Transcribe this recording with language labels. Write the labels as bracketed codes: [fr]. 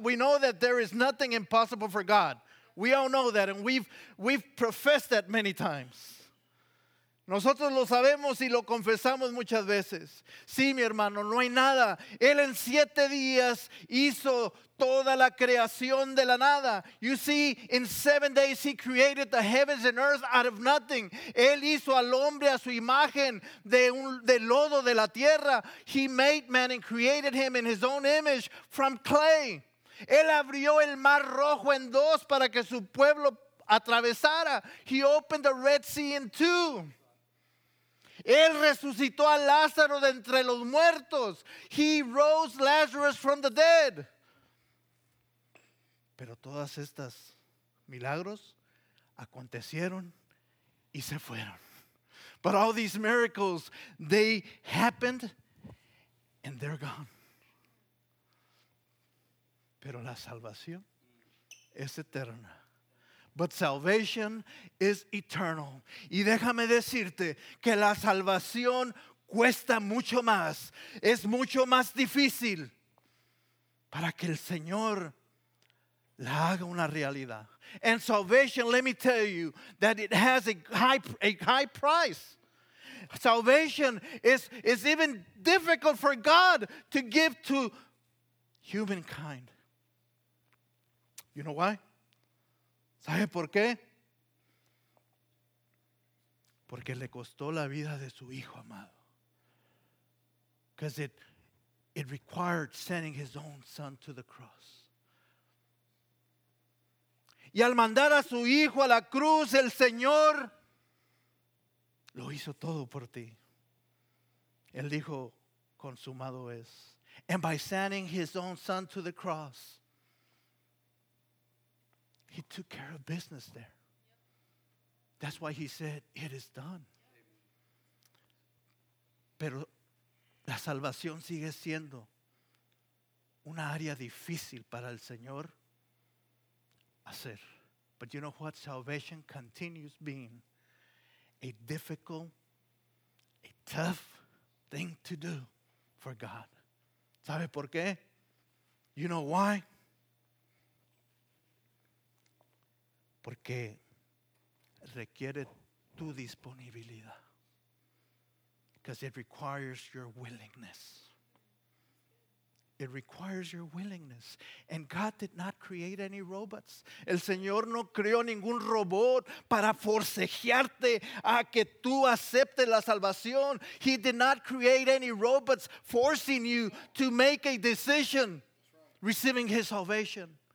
[en] We know that there is nothing impossible for God. We all know that, and we've professed that many times. [es] Nosotros lo sabemos y lo confesamos muchas veces. Sí, mi hermano, no hay nada. Él en siete días hizo toda la creación de la nada. [en] You see, in 7 days he created the heavens and earth out of nothing. [es] Él hizo al hombre a su imagen de lodo de la tierra. [en] He made man and created him in his own image from clay. [es] Él abrió el mar rojo en dos para que su pueblo atravesara. [en] He opened the Red Sea in two. [es] Él resucitó a Lázaro de entre los muertos. [en] He rose Lazarus from the dead. [es] Pero todas estas milagros acontecieron y se fueron. [en] But all these miracles, they happened and they're gone. [es] Pero la salvación es eterna. [en] But salvation is eternal. [es] Y déjame decirte que la salvación cuesta mucho más. Es mucho más difícil para que el Señor la haga una realidad. [en] And salvation, let me tell you, that it has a high price. Salvation is even difficult for God to give to humankind. You know why? [es] ¿Sabe por qué? Porque le costó la vida de su hijo amado. [en] Because it required sending his own son to the cross. [es] Y al mandar a su hijo a la cruz, el Señor lo hizo todo por ti. Él dijo, consumado es. [en] And by sending his own son to the cross, he took care of business there. That's why he said, it is done. [es] Pero la salvación sigue siendo una área difícil para el Señor hacer. [en] But you know what? Salvation continues being a difficult, a tough thing to do for God. [es] ¿Sabe por qué? [en] You know why? [es] Porque requiere tu disponibilidad. [en] Because it requires your willingness. It requires your willingness. And God did not create any robots. [es] El Señor no creó ningún robot para forcejearte a que tú aceptes la salvación. [en] He did not create any robots forcing you to make a decision receiving his salvation.